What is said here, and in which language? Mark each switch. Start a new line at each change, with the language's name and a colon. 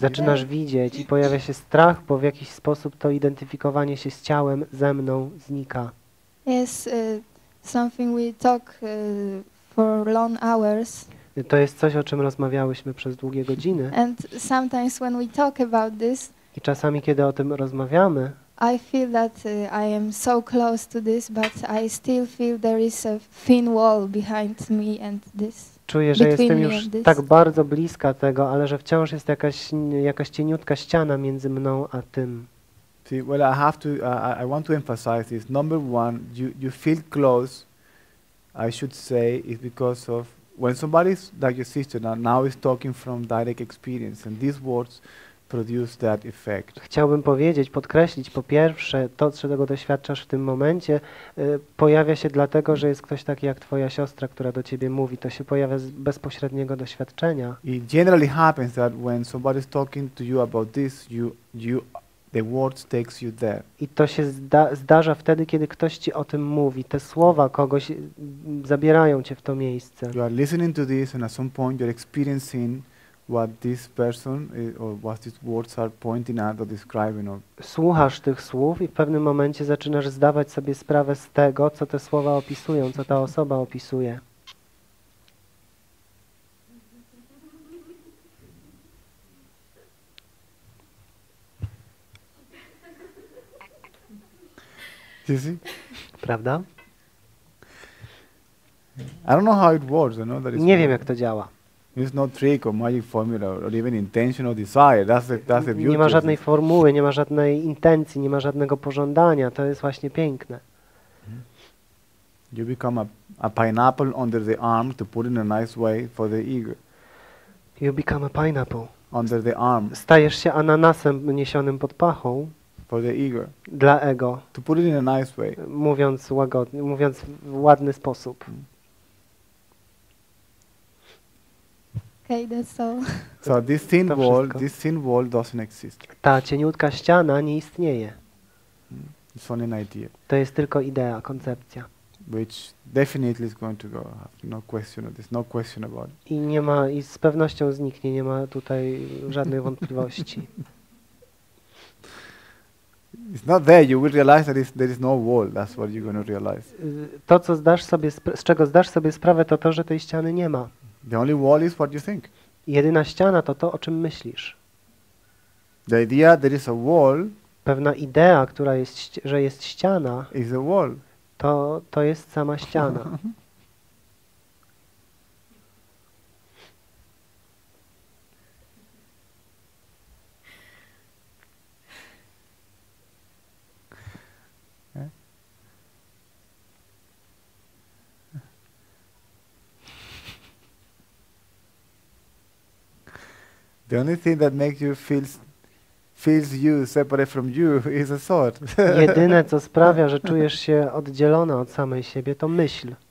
Polish: Zaczynasz widzieć i pojawia się strach, bo w jakiś sposób to identyfikowanie się z ciałem ze mną znika.
English: Yes, something we talk for long hours.
Polish: To jest coś, o czym rozmawiałyśmy przez długie godziny.
English: And sometimes when we talk about this.
Polish: I czasami kiedy o tym rozmawiamy.
English: I feel that I am so close to this, but I still feel there is a thin wall behind me and this.
Polish: Czuję, że jestem już tak bardzo bliska tego, ale że wciąż jest jakaś cieniutka ściana między mną a tym.
English: See, well, I have to, I want to emphasize this. Number one, you feel close, I should say, is because of when somebody is like your sister now is talking from direct experience and these words produce that effect.
Polish: Chciałbym powiedzieć, podkreślić, po pierwsze, to, czego doświadczasz w tym momencie, pojawia się dlatego, że jest ktoś taki jak twoja siostra, która do ciebie mówi. To się pojawia z bezpośredniego doświadczenia.
English: It generally happens that when somebody is talking to you about this, you the words takes you there.
Polish: I to się zdarza wtedy, kiedy ktoś ci o tym mówi. Te słowa kogoś zabierają cię w to miejsce.
English: You are listening to this and at some point you're experiencing what this person or what these words are pointing at or describing or
Polish: słuchasz tych słów i w pewnym momencie zaczynasz zdawać sobie sprawę z tego, co te słowa opisują, co ta osoba opisuje. Prawda?
English: I don't know how it works, I know that it's
Polish: nie wiem jak to działa.
English: It's not trick or magic formula or even intention or desire. That's the beauty.
Polish: Nie ma żadnej formuły, nie ma żadnej intencji, nie ma żadnego pożądania. To jest właśnie piękne.
English: You become a pineapple under the arm to put in a nice way for the ego. You become a pineapple under the arm.
Polish: Stajesz się ananasem niesionym pod pachą.
English: For the ego.
Polish: Dla ego.
English: To put it in a nice way.
Polish: Mówiąc łagodnie, mówiąc w ładny sposób.
English: Okay, that's all. So this thin wall, doesn't exist.
Polish: Ta cieniutka ściana nie istnieje.
English: It's only an idea.
Polish: To jest tylko idea, koncepcja.
English: Which definitely is going to go. No question. There's no question about it.
Polish: I nie ma, i z pewnością zniknie. Nie ma tutaj żadnej wątpliwości.
English: It's not there. You will realize that there is no wall. That's what you're going to realize.
Polish: To, co zdasz sobie, z czego zdasz sobie sprawę, to to, że tej ściany nie ma.
English: The only wall is what you think.
Polish: Jedyna ściana to to, o czym myślisz.
English: The idea there is a wall.
Polish: Pewna idea, która jest, że jest ściana.
English: Is a wall.
Polish: To jest sama ściana.
English: The only thing that makes you feels you separate from you is a thought.
Polish: Jedyne, co sprawia, że czujesz się oddzielona od samej siebie, to myśl.